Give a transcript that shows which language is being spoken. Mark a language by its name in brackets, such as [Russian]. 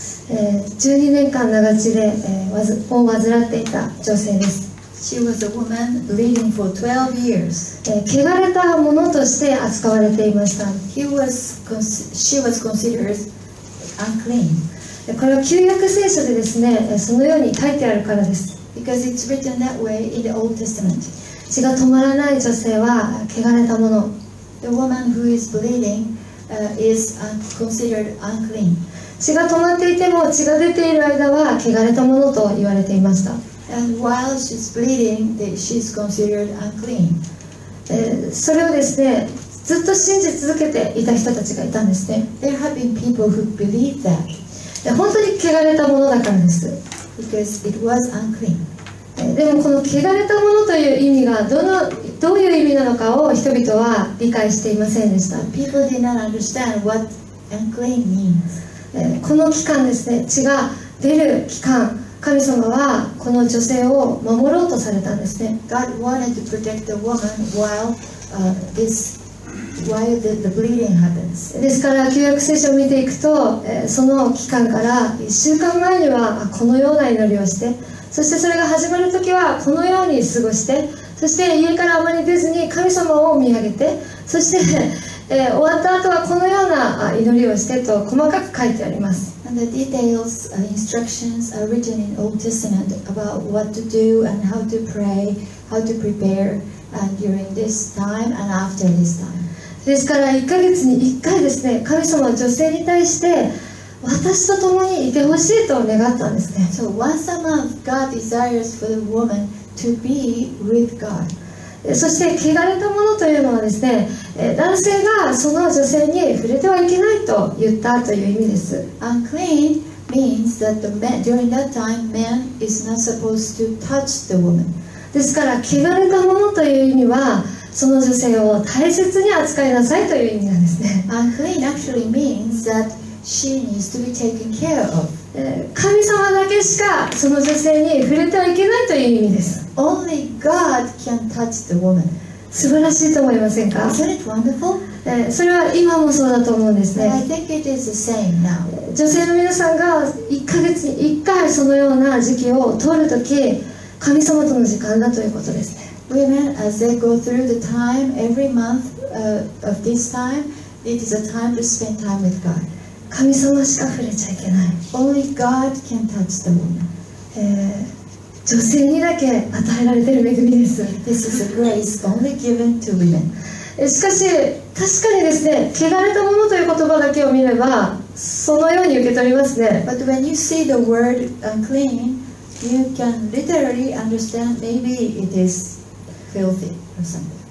[Japanese] 12年間長血で患っていた女性です。 [English] She was a woman bleeding for 12 years. [Japanese] 汚れたものとして扱われていました。 [English] She was considered unclean. [Japanese] これは旧約聖書でですね、そのように書いてあるからです。 [English] Because it's written that way in the Old Testament. [Japanese] 血が止まらない女性は汚れたもの。 [English] The woman who is bleeding, is considered unclean. [Japanese] 血が止まっていても血が出ている間は汚れたものと言われていました。 [English] And while she's bleeding, she's considered unclean. [Japanese] それをですね、ずっと信じ続けていた人たちがいたんですね。 [English] There have been people who believe that. [Japanese] 本当に汚れたものだからです。 [English] Because it was unclean. [Japanese] でもこの汚れたものという意味がどういう意味なのかを人々は理解していませんでした。 [English] People did not understand what unclean means. [Japanese] この期間ですね、血が出る期間、神様はこの女性を守ろうとされたんですね。 [English] God wanted to protect the woman while the bleeding happens. [Japanese] ですから旧約聖書を見ていくと、その期間から1週間前にはこのような祈りをして、そしてそれが始まる時はこのように過ごして、そして家からあまり出ずに神様を見上げて、そして終わった後はこのような祈りをしてと細かく書いてあります。 [English] And the details and instructions are written in Old Testament about what to do and how to pray, how to prepare during this time and after this time. [Japanese] ですから1ヶ月に1回ですね、神様は女性に対して私と共にいてほしいと願ったんですね。 [English] So once a month God desires for the woman to be with God. [Japanese] そして汚れたものというのはですね、男性がその女性に触れてはいけないと言ったという意味です。 [English] Unclean means that the man, during that time man is not supposed to touch the woman. [Japanese] ですから汚れたものという意味はその女性を大切に扱いなさいという意味なんですね。 [English] Unclean actually means that she needs to be taken care of. [Japanese] 神様だけしかその女性に触れてはいけないという意味です。 [English] Only God can touch the woman. [Japanese] 素晴らしいと思いませんか。 [English] Isn't it wonderful? [Japanese] それは今もそうだと思うんですね。 [English] I think it is the same now. [Japanese] 女性の皆さんが1ヶ月に1回そのような時期を取るとき、神様との時間だということですね。 [English] Women, as they go through the time every month of this time, it is a time to spend time with God. [Japanese] 神様しか触れちゃいけない。 [English] Only God can touch the woman. [Japanese] 女性にだけ与えられている恵みです。 [English] This is a grace only given to women. [Japanese] しかし確かにですね、汚れたものという言葉だけを見ればそのように受け取りますね。 [English] But when you see the word unclean, you can literally understand maybe it is filthy or something.